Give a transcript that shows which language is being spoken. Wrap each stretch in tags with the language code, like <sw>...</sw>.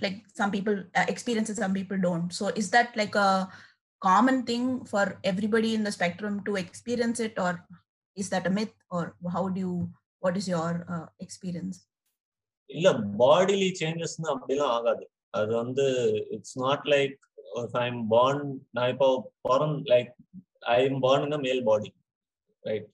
<en>Like some people experience it, some people don't. So is that like a common thing for everybody in the spectrum to experience it, or is that a myth, or how do you, what is your experience?</en> <ta>இல்ல</ta> <en>bodily changes</en> <ta>னா அப்படிலாம் ஆகாது. அது வந்து</ta> <en>it's not like if I'm born</en> <ta>na ipo poran</ta> <en>like I am born in a male body, right?</en>